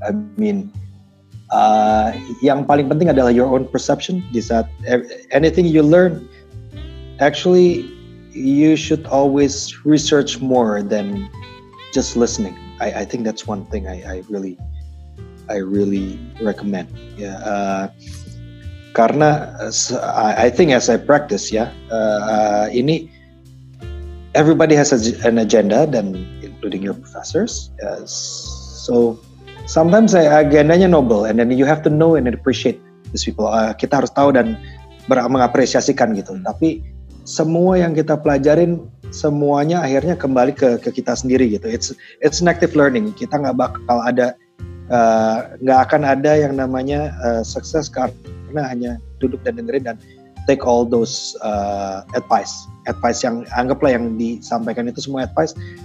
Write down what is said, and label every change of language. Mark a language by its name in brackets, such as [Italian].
[English] I mean, [Indonesian] yang paling penting adalah [English] your own perception. [Indonesian] Di saat [English] anything you learn, actually, you should always research more than just listening. I think that's one thing I really recommend. Yeah. [Indonesian] Karena [English] I think as I practice, ini everybody has an agenda, dan including your professors. Yes. So sometimes agendanya noble, and then you have to know and appreciate these people. [Indonesian] Kita harus tahu dan mengapresiasikan gitu. Tapi semua yang kita pelajarin, semuanya akhirnya kembali ke kita sendiri gitu. [English] It's an active learning. [Indonesian] Kita nggak bakal ada, nggak akan ada yang namanya sukses karena hanya duduk dan dengerin dan [English] take all those advice [Indonesian] yang anggaplah yang disampaikan itu semua advice.